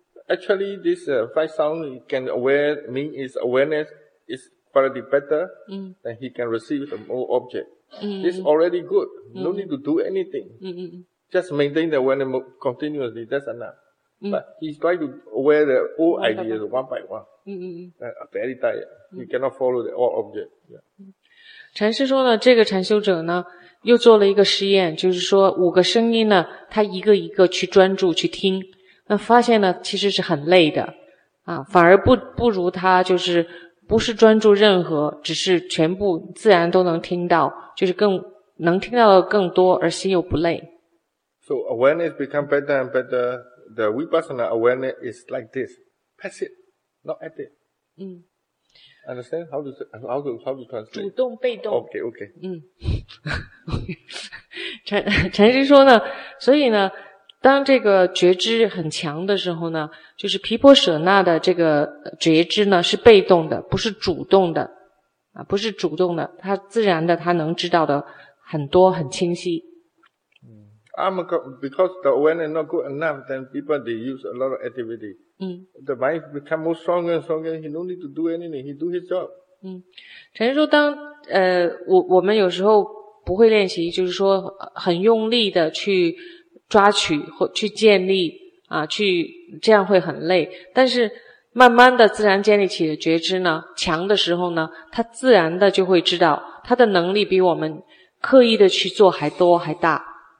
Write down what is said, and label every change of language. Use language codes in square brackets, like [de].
[en] Actually, this five sound he can aware, mean is awareness is already better, than he can receive the more object. It's already good. No need to do anything. Just maintain the awareness continuously, that's enough. But he's trying to aware the old ideas one by one. Very tired. He cannot follow the old object. [zh] 禅师说呢，这个禅修者呢，又做了一个实验，就是说五个声音呢，他一个一个去专注去听，那发现呢其实是很累的啊，反而不如他就是不是专注任何，只是全部自然都能听到，就是更能听到的更多，而心又不累。 [en] So awareness become better and better. The vipassana awareness is like this, passive, not active. Understand how to translate? [zh] 主动被动。 [en] Okay. [zh] 禅师说呢，所以呢，当这个觉知很强的时候呢，就是毗婆舍那的这个觉知呢是被动的，不是主动的啊，不是主动的，他自然的他能知道的很多很清晰。 [en] Because the awareness is not good enough, then people they use a lot of activity. The mind become more stronger and stronger. He don't need to do anything. He do his job. [zh] 嗯，陈师说当我们有时候不会练习，就是说很用力的去抓取或去建立啊，去这样会很累。但是慢慢的自然建立起的觉知呢，强的时候呢，他自然的就会知道，他的能力比我们刻意的去做还多还大。